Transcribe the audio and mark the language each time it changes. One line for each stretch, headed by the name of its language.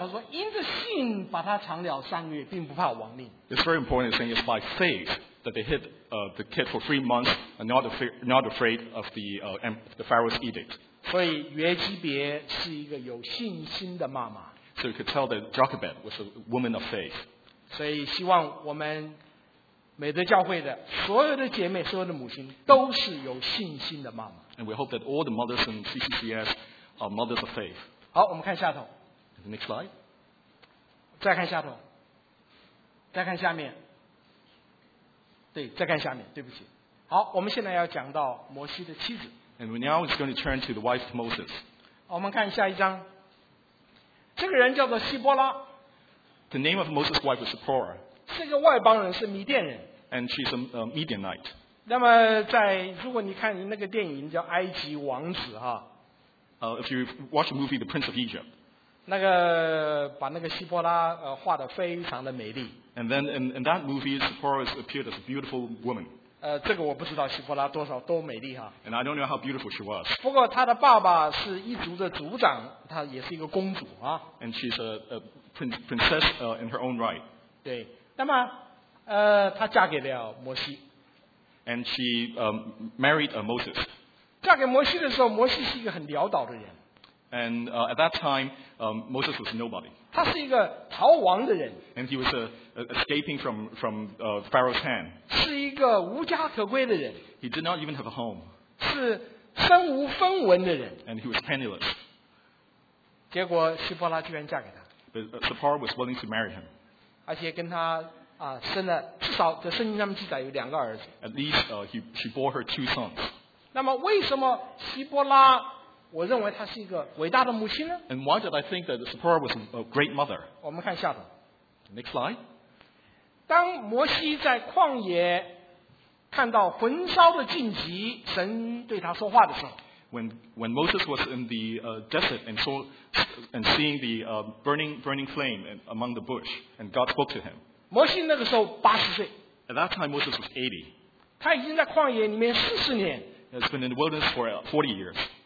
Chinese: 他说，因着信把他藏了三个月，并不怕亡命。
English: It's very important saying it's by faith that they hid the kid for 3 months and not afraid of the Pharaoh's edict.
Chinese: 所以约基别是一个有信心的妈妈。
English: So you could tell that Jochebed was a woman of faith.
Chinese: 所以希望我们美德教会的所有的姐妹、所有的母亲都是有信心的妈妈。
English: And we hope that all the mothers in CCCS are mothers of faith.
Chinese: 好，我们看下头。
English: The next slide.
Chinese: 再看下头。再看下面。对，再看下面。对不起。好，我们现在要讲到摩西的妻子。
English: And now he's going to turn to the wife of Moses.
Chinese: 我们看下一章。这个人叫做希波拉。
English: The name of Moses' wife was Zipporah.
Chinese: 是个外邦人，是米甸人。
English: And she's a Midianite.
Chinese: 那么在如果你看那个电影叫《埃及王子》哈。
English: If you watch the movie The Prince of Egypt.
Chinese: 那个把那个希波拉画得非常的美丽。
English: And then in that movie, Zipporah appeared as a beautiful woman.
Chinese: 这个我不知道希伯拉多少多美丽哈。
English: And I don't know how beautiful she was.
Chinese: 不过她的爸爸是一族的族长，她也是一个公主啊。
English: And she's a princess in her own right.
Chinese: 对，那么她嫁给了摩西。
English: And she married Moses.
Chinese: 嫁给摩西的时候，摩西是一个很潦倒的人。
English: And at that time, Moses was nobody.
Chinese: 他是一个逃亡的人。
English: And he was escaping from Pharaoh's hand.
Chinese: 是一个无家可归的人。
English: He did not even have a home.
Chinese: 是身无分文的人。
English: And he was penniless.
Chinese: 结果西波拉居然嫁给他。
English: But Zipporah was willing to marry him.
Chinese: 而且跟他生了至少在圣经上面记载有两个儿子。
English: At least she bore her two sons.
Chinese: 那么为什么西波拉我认为她是一个伟大的母亲呢？
English: And why did I think that Zipporah was a great mother?
Chinese: 我们看下头。
English: Next slide.
Chinese: 当摩西在旷野看到焚烧的荆棘，神对他说话的时候。
English: When Moses was in the desert and saw and seeing the burning flame among the bush, and God spoke to him.
Chinese: 摩西那个时候八十岁。
English: At that time, Moses was 80.
Chinese: 他已经在旷野里面四十年。
English: He's been in the wilderness for 40 years.